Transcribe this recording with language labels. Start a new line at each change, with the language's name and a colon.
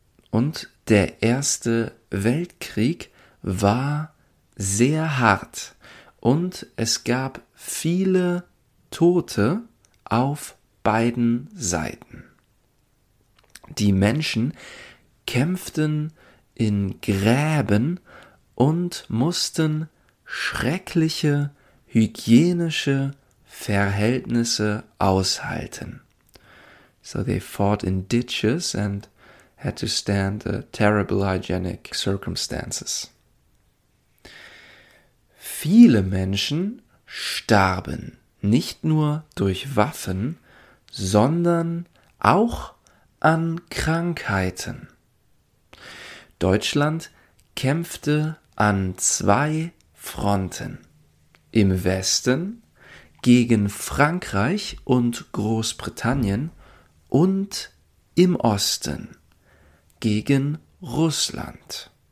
German: Und der Erste Weltkrieg war sehr hart und es gab viele Tote auf beiden Seiten. Die Menschen kämpften in Gräben und mussten schreckliche hygienische Verhältnisse aushalten.
English: So they fought in ditches and had to stand the terrible hygienic circumstances.
German: Viele Menschen starben nicht nur durch Waffen, sondern auch an Krankheiten. Deutschland kämpfte an zwei Fronten. Im Westen gegen Frankreich und Großbritannien und im Osten gegen Russland.